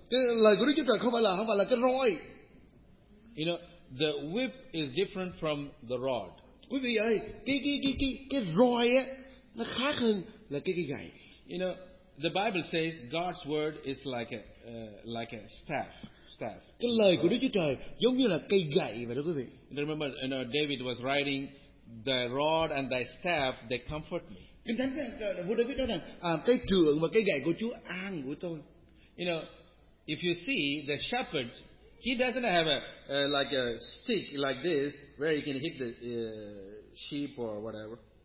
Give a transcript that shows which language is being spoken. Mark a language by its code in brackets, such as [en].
[vi] Cái lời của Đức Chúa Trời không phải là cái roi. [en] You know, the whip is different from the rod. [vi] Quý vị ơi, cái roi á nó khác hơn là cái gậy. [en] You know, the Bible says God's word is like a staff. [vi] Cái lời của Đức Chúa Trời giống như là cây gậy vậy đó quý vị. [en] Remember, David was writing, "Thy rod and thy staff they comfort me." [vi] Kinh Thánh vua David nói rằng, cây trượng và cây gậy của Chúa an của tôi. [en] You know, if you see the shepherd, he doesn't have a stick like this where he can hit the sheep or whatever.